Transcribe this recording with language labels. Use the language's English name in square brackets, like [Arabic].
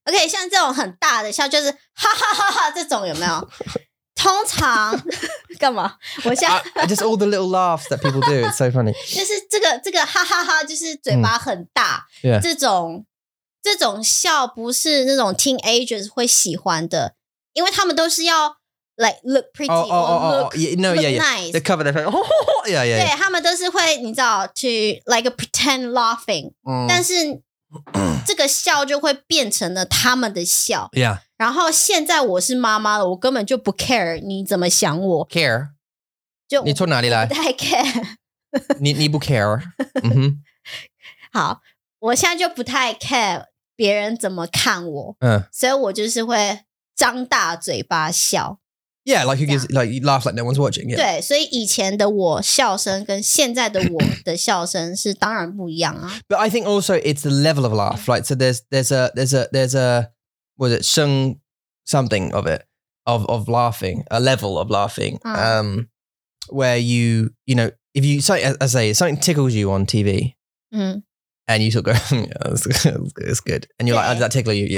[Chinese] Okay, 像这种很大的笑，就是哈哈哈哈这种有没有？通常干嘛？我现 [English] 在just all the little laughs that people do. It's so funny. [Chinese] 就是这个哈哈哈，就是嘴巴很大。 [English] Yeah. [Chinese] 这种笑不是那种 teenagers 会喜欢的，因为他们都是要。 [English] Like look pretty nice. They cover their face. Yeah. [Chinese] 他们都是会你知道 [English] to like a pretend laughing. [Chinese] 但是这个笑就会变成了他们的笑。 [English] Yeah. [Chinese] 然后现在我是妈妈了，我根本就不 care 你怎么想我。 [English] Care. [Chinese] 就你从哪里来？不太 care. 你不 care. 好，我现在就不太 care 别人怎么看我。所以我就是会张大嘴巴笑。 [English] Yeah, like who gives, like you laugh like no one's watching. Yeah. [Chinese] 对，所以以前的我笑声跟现在的我的笑声是当然不一样啊。 [English] But I think also it's the level of laugh, right? So there's a was it 声 something of it of laughing a level of laughing, where you know if you say I say something tickles you on TV, and you sort of go, it's good, and you're like, oh, does that tickle you?